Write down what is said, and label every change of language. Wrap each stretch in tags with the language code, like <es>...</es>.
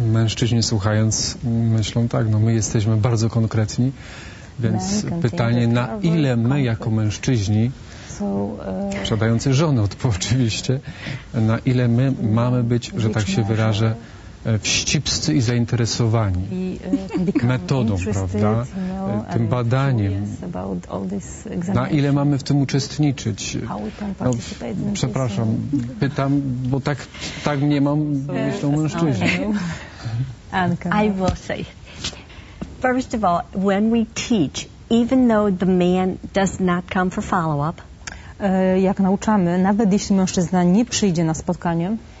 <pl>Mężczyźni słuchając myślą tak, no my jesteśmy bardzo konkretni, więc pytanie, na ile my jako mężczyźni, sprzedający żony oczywiście, na ile my mamy być, że tak się wyrażę, wścibscy i zainteresowani metodą, prawda, tym badaniem, na ile mamy w tym uczestniczyć. No, przepraszam, pytam, bo tak nie mam, myślą mężczyźni.</pl> <en>I will say, first of all, when we teach, even though the man does not come for follow-up,</en> <pl>jak nauczamy, nawet jeśli mężczyzna nie przyjdzie na spotkanie,</pl>